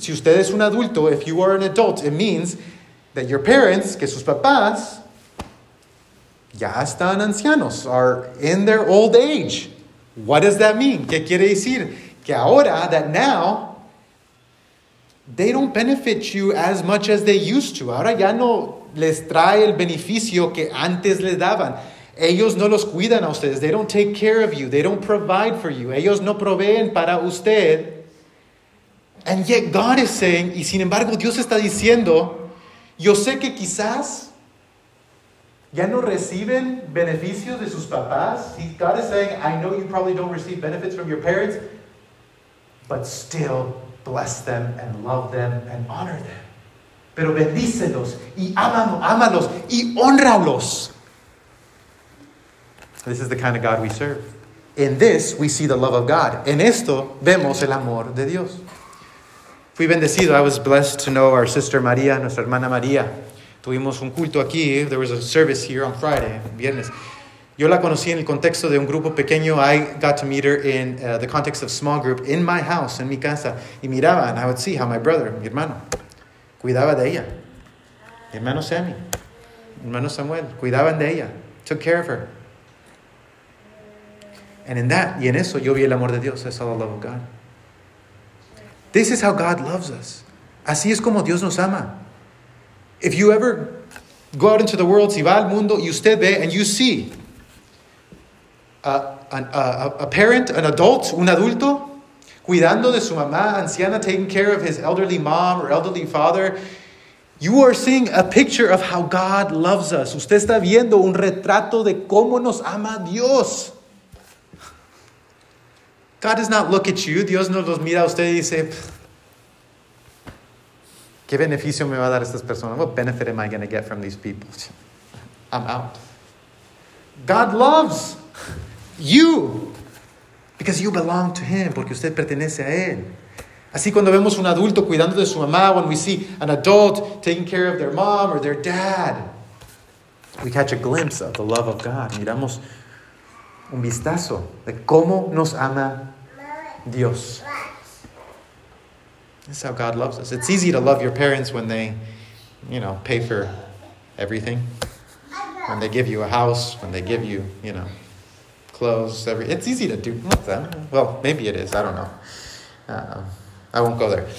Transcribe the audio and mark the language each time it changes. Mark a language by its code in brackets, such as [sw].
[es] Si usted es un adulto, [en] if you are an adult, it means that your parents, [es] que sus papás, ya están ancianos, [en] are in their old age. What does that mean? [es] ¿Qué quiere decir? Que ahora, [en] that now, they don't benefit you as much as they used to. [es] Ahora ya no les trae el beneficio que antes les daban. Ellos no los cuidan a ustedes. [en] They don't take care of you. They don't provide for you. [es] Ellos no proveen para usted. [en] And yet God is saying, [es] y sin embargo Dios está diciendo, yo sé que quizás ya no reciben beneficios de sus papás. [en] God is saying, I know you probably don't receive benefits from your parents, but still bless them and love them and honor them. [es] Pero bendícelos y ámalos y honralos. [en] This is the kind of God we serve. In this, we see the love of God. [es] En esto, vemos el amor de Dios. Fui bendecido. [en] I was blessed to know our sister María, [es] nuestra hermana María. Tuvimos un culto aquí. [en] There was a service here on Friday, viernes. [es] Yo la conocí en el contexto de un grupo pequeño. [en] I got to meet her in the context of small group in my house, [es] en mi casa. Y miraba, [en] and I would see how my brother, [es] mi hermano, cuidaba de ella. Mi hermano Sammy, hermano Samuel, cuidaban de ella. [en] Took care of her. And in that, [es] y en eso, yo vi el amor de Dios. [en] I saw the love of God. This is how God loves us. [es] Así es como Dios nos ama. [en] If you ever go out into the world, [es] si va al mundo, y usted ve, [en] and you see a parent, an adult, [es] un adulto, cuidando de su mamá, anciana, [en] taking care of his elderly mom or elderly father, you are seeing a picture of how God loves us. [es] Usted está viendo un retrato de cómo nos ama Dios. [en] God does not look at you. [es] Dios no los mira a usted y dice, ¿qué beneficio me va a dar estas personas? [en] What benefit am I going to get from these people? I'm out. God loves you because you belong to Him. [es] Porque usted pertenece a Él. Así cuando vemos un adulto cuidando de su mamá, [en] when we see an adult taking care of their mom or their dad, we catch a glimpse of the love of God. [es] Miramos un vistazo de cómo nos ama Dios. [en] That's how God loves us. It's easy to love your parents when they, you know, pay for everything. When they give you a house, when they give you, you know, clothes. It's easy to do with them. Well, maybe it is. I don't know. I won't go there.